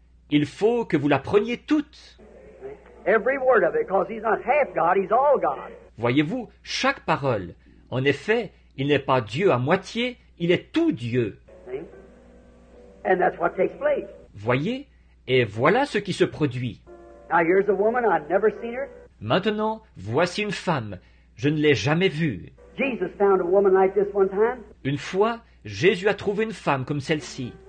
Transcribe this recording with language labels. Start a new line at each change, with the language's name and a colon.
French: Il faut que vous la preniez toute.
English: Every word of it, because he's not half God, he's all God.
French: Voyez-vous, chaque parole, en effet, il n'est pas Dieu à moitié, il est tout Dieu.
English: And that's what takes place.
French: Voyez, et voilà ce qui se produit.
English: Now, here's a woman, I've never seen her.
French: Maintenant, voici une femme. Je ne l'ai jamais vue.
English: Jesus found a woman like this one time.
French: Une fois, Jésus a trouvé une femme comme celle-ci.